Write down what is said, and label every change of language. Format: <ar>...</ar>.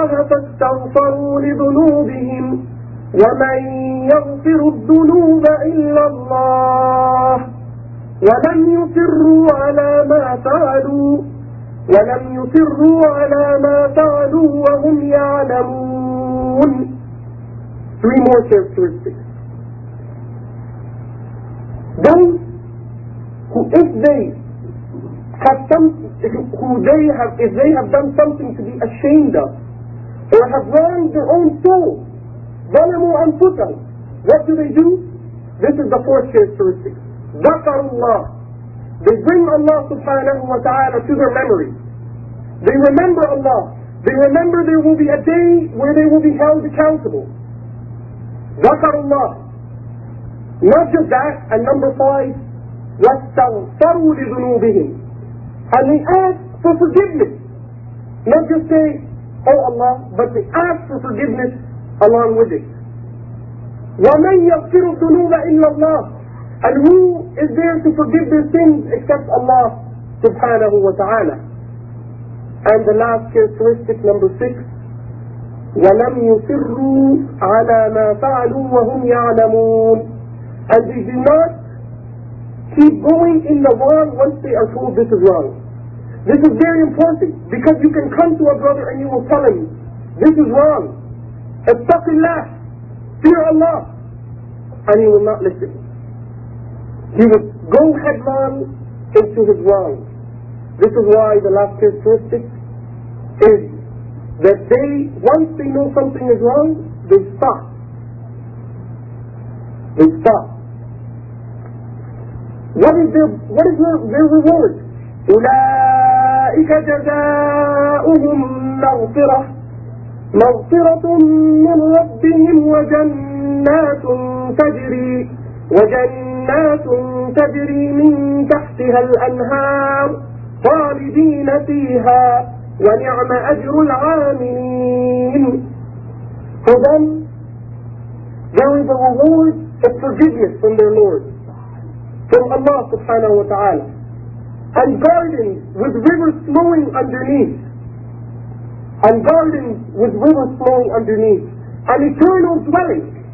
<ar>فاستغفروا لذنوبهم ومن يغفر الذنوب إلا الله ولم يصروا على ما فعلوا وهم يعلمون.</ar> <en>Three more characteristics. Those who, if they have some, who they have, if they have done something to be ashamed of, or have wronged their own soul,</en> <ar>ظلموا أنفسهم,</ar> <en>what do? This is the fourth characteristic.</en> <ar>ذكروا الله.</ar> <en>They bring Allah subhanahu wa ta'ala to their memory. They remember Allah. They remember there will be a day where they will be held accountable.</en> <ar>ذكروا الله.</ar> <en>Not just that, and number five,</en> <ar>واستغفروا لذنوبهم.</ar> <en>And they ask for forgiveness. Not just say, oh Allah, but they ask for forgiveness along with it.</en> <ar>وَمَنْ يَغْفِرُ الذُّنُوبَ إِلَّا اللَّهِ.</ar> <en>And who is there to forgive their sins except Allah subhanahu wa ta'ala? And the last characteristic, number six,</en> <ar>وَلَمْ يُصِرُّوا عَلَى مَا فَعَلُوا وَهُمْ يَعْلَمُونَ.</ar> <en>And they do not keep going in the wrong once they are told this is wrong. This is very important, because you can come to a brother and you will tell him, this is wrong.</en> <ar>اتق الله.</ar> <en>Fear Allah. And he will not listen. He would go headlong into his wrong. This is why the last characteristic is that they, once they know something is wrong, they stop. They stop. What is their reward?</en> <ar>أولئك جزاؤهم مغفرة. مغفرة من ربهم وجنات تجري. وجنات تجري من تحتها الأنهار خالدين فيها ونعم أجر العاملين.</ar> <en>For them, there is a reward of forgiveness from their Lord, from Allah subhanahu wa ta'ala, and gardens with rivers flowing underneath, and gardens with rivers flowing underneath, an eternal dwelling.</en>